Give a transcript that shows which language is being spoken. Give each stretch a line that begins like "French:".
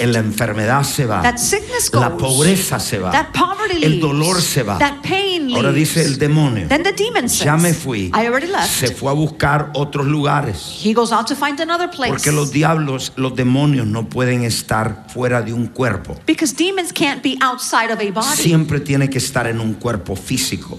Spanish: La enfermedad se va.
English: That sickness goes.
Spanish: La pobreza se va.
English: That poverty leaves.
Spanish: El dolor se va.
English: That pain leaves.
Spanish: Ahora dice el demonio.
English: Then the demon says,
Spanish: ya me fui.
English: I already left.
Spanish: Se fue a buscar otros lugares.
English: He goes out to find another place.
Spanish: Porque los diablos, los demonios no pueden estar fuera de un cuerpo.
English: Because demons can't be outside of a body.
Spanish: Siempre tiene que estar en un cuerpo físico.